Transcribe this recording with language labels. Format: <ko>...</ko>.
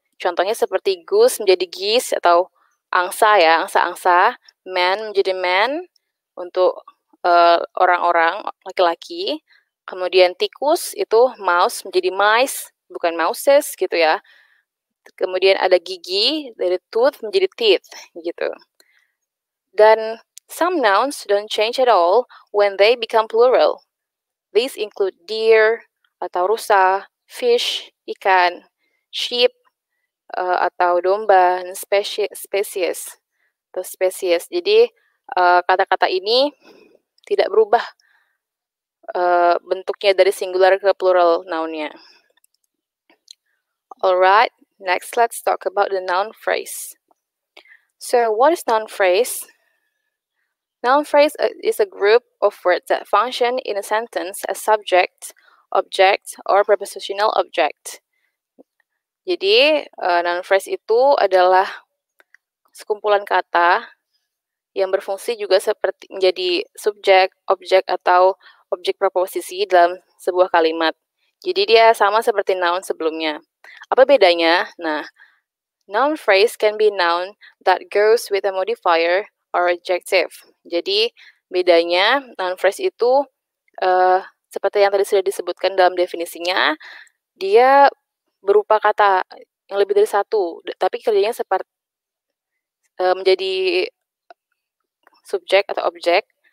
<id>Contohnya seperti goose menjadi geese atau angsa ya, angsa-angsa. Man menjadi man untuk orang-orang, laki-laki. Kemudian tikus itu mouse menjadi mice, bukan mouses gitu ya. Kemudian ada gigi dari tooth menjadi teeth gitu. Dan</id> <en>some nouns don't change at all when they become plural. These include deer</en> <id>atau rusa,</id> <en>fish,</en> <id>ikan,</id> <en>sheep,</en> <id>atau domba,</id> <en>and species.</en> <id>Atau species. Jadi kata-kata ini tidak berubah bentuknya dari singular ke plural nounnya.</id> <en>Alright, next let's talk about the noun phrase. So what is noun phrase? Noun phrase is a group of words that function in a sentence as subject, object, or prepositional object.</en> <id>Jadi, noun phrase itu adalah sekumpulan kata yang berfungsi juga seperti menjadi subjek, objek, atau objek preposisi dalam sebuah kalimat. Jadi, dia sama seperti noun sebelumnya. Apa bedanya? Nah,</id> <en>noun phrase can be noun that goes with a modifier or adjective.</en> <id>Jadi, bedanya noun phrase itu seperti yang tadi sudah disebutkan dalam definisinya, dia berupa kata yang lebih dari satu, tapi kerjanya seperti menjadi subjek atau objek.</id>